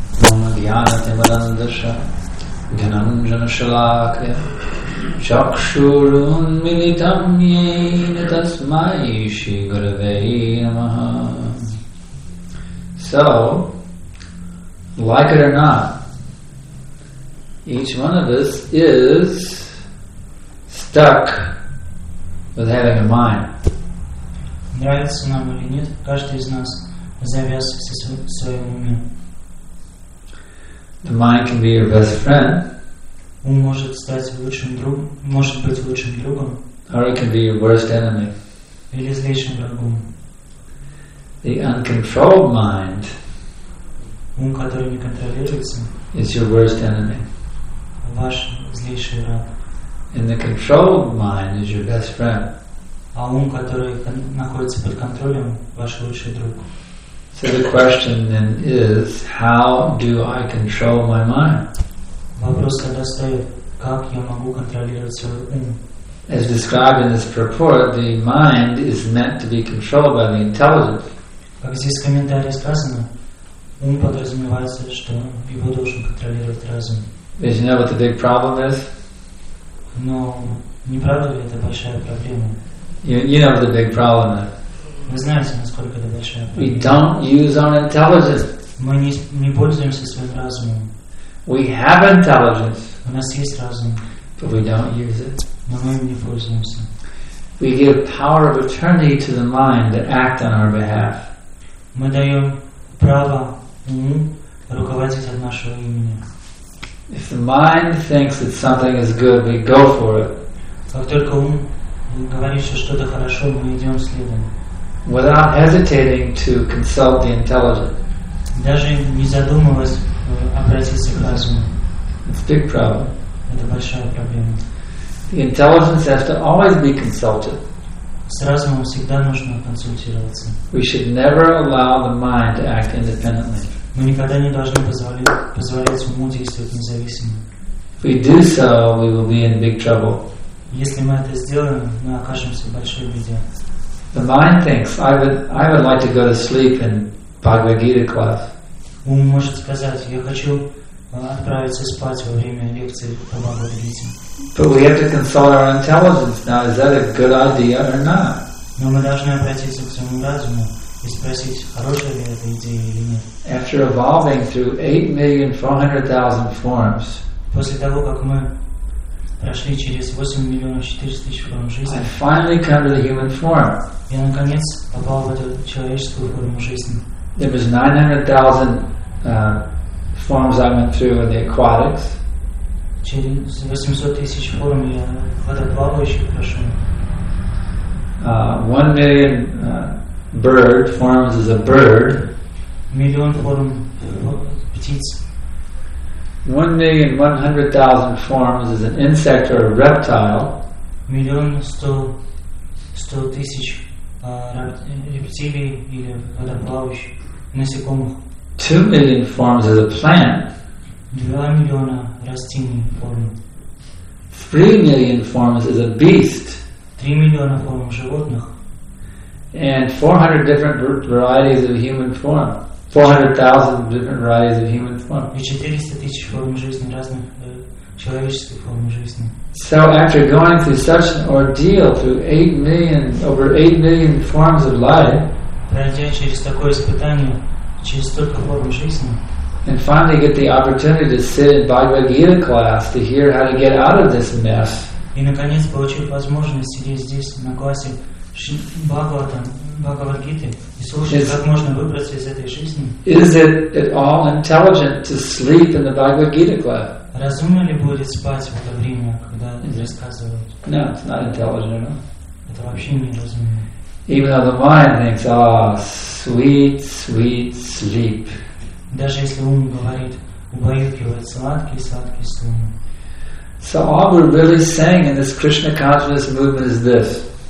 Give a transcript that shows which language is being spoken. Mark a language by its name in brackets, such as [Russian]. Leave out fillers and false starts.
[Sanskrit] Om Dhyana Timarandasha Dhananjana Shalakya Chakshurun Militam Yena Tasmai Shri Gurave Namaha. [English] So, like it or not, each one of us is stuck with having a mind. [Russian] Нравится нам или нет, каждый из нас завяз со своим умом. [English] The mind can be your best friend. [Russian] Ум может стать лучшим другом, может быть лучшим другом. [English] Or it can be your worst enemy. [Russian] Или злейшим врагом. [English] The uncontrolled mind [Russian] ум, который не контролируется, [English] is your worst enemy. [Russian] Ваш злейший враг. [English] And the controlled mind is your best friend. [Russian] А ум, который находится под контролем, ваш лучший друг. [English] So the question then is, how do I control my mind? [Russian] Вопрос тогда стоит, как я могу контролировать свой ум? [English] As described in this purport, the mind is meant to be controlled by the intelligence. [Russian] Как здесь в комментарии сказано, ум подразумевается, что его должен контролировать разум. [English] Did you know what the big problem is? [Russian] Но не правда ли это большая проблема? [English] You know what the big problem is. [Russian] Вы знаете, насколько это большая проблема. [English] We don't use our intelligence. [Russian] Мы не пользуемся своим разумом. [English] We have intelligence. [Russian] У нас есть разум. [English] But we don't use it. [Russian] Но мы им не пользуемся. [English] We give power of attorney to the mind to act on our behalf. [Russian] Мы даем право уму руководить от нашего имени. [English] If the mind thinks that something is good, we go for it. [Russian] Как только ум говорит, что что-то хорошо, мы идем следом. [English] Without hesitating to consult the intelligent. [Russian] Даже не задумываясь обратиться к разуму. [English] It's a big problem. [Russian] Это большая проблема. [English] The intelligence has to always be consulted. [Russian] С разумом всегда нужно консультироваться. [English] We should never allow the mind to act independently. [Russian] Мы никогда не должны позволять уму действовать независимо. [English] If we do so, we will be in big trouble. [Russian] Если мы это сделаем, мы окажемся в большой беде. [English] The mind thinks, I would like to go to sleep in Bhagavad Gita class. [Russian] Ум может сказать, я хочу отправиться спать во время лекции по Бхагавад Гите. [English] But we have to consult our intelligence. Now, is that a good idea or not? [Russian] Но мы должны обратиться к своему разуму и спросить, хорошая ли эта идея или нет. [English] After evolving through 8,400,000 forms, [Russian] после того, как мы прошли через 8,400,000 форм жизни, [English] I finally come to the human form. [Russian] Я наконец попал в эту человеческую форму жизни. [English] There was 900,000 forms I went through in the aquatics. [Russian] Через 800,000 форм я водоплавающих прошел. [English] 1,000,000 bird forms as a bird. [Russian] Миллион форм птиц. [English] 1,100,000 forms as an insect or a reptile. [Russian] Миллион сто тысяч рептилий или водоплавающих насекомых. [English] 2,000,000 forms as a plant. [Russian] 2,000,000 растений форм. [English] 3,000,000 forms as a beast. [Russian] 3,000,000 форм животных. [English] And 400 different varieties of human form. 400,000 different varieties of human form. [Russian] И 400,000 форм жизни разных человеческих форм жизни. [English] So after going through such an ordeal through over 8 million forms of life, [Russian] пройдя через такое испытание, через столько форм жизни, [English] and finally get the opportunity to sit in Bhagavad Gita class to hear how to get out of this mess. [Russian] И наконец получив возможность сидеть здесь на классе Бхагавад Гиты и слушать, как можно выбраться из этой жизни. [English] Is it at all intelligent to sleep in the Bhagavad Gita class? [Russian] Разумно ли будет спать в это время, когда рассказывают? [English] No, it's not intelligent. No. [Russian] Это вообще неразумно. [English] Even though the mind thinks, ah, sweet, sweet sleep. [Russian] Даже если ум говорит, убаюкивает сладкий, сладкий сон. [English] So all we're really saying in this Krishna consciousness movement is this.